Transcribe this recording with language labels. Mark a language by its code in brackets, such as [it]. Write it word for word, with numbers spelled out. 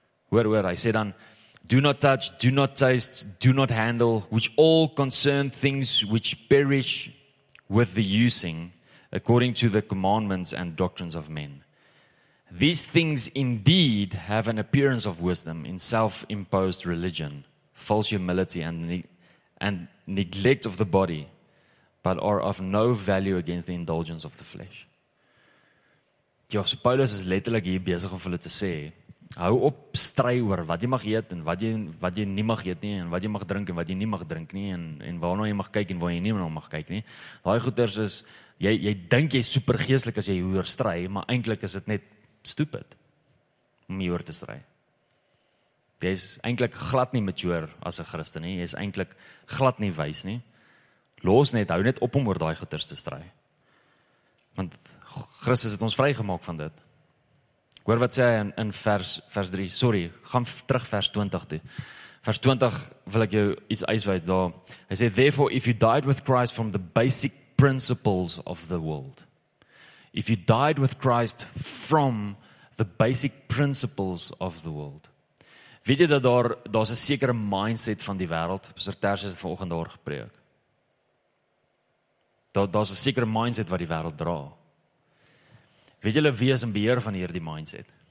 [en] Where, where, I said on, do not touch, do not taste, do not handle, which all concern things which perish with the using, according to the commandments and doctrines of men. These things indeed have an appearance of wisdom in self-imposed religion, false humility and ne- and neglect of the body, but are of no value against the indulgence of the flesh. [af] Ja, so Paulus is letterlik hier besig om vir hulle te sê, hou op stry oor wat jy mag eet en wat jy wat jy nie mag eet nie en wat jy mag drink en wat jy nie mag drink nie en en waarna jy mag kyk en waar jy nie na mag kyk nie. Daai goeters is jy jy dink jy's supergeestelik as jy hieroor stry, maar eintlik is dit net stupid om hieroor te stry. Jy is eintlik glad nie mature as 'n Christen nie, jy is eintlik glad nie wys nie. Los net, hou net op om oor daai goeters te stry. Want Christus het ons vrygemaak van dit. Ek hoor wat sê hy in, in vers, vers drie, sorry, gaan terug vers twintig toe. Vers twintig wil ek jou iets uitwys daar. Hy sê, [en] therefore, if you died with Christ from the basic principles of the world. If you died with Christ from the basic principles of the world. [af] Weet jy dat daar, daar's 'n sekere mindset van die wêreld, Pastor Tersius het vanoggend daar gepreek. Daar, daar's 'n sekere mindset wat die wêreld dra. Weet julle wie is in beheer van hierdie mindset?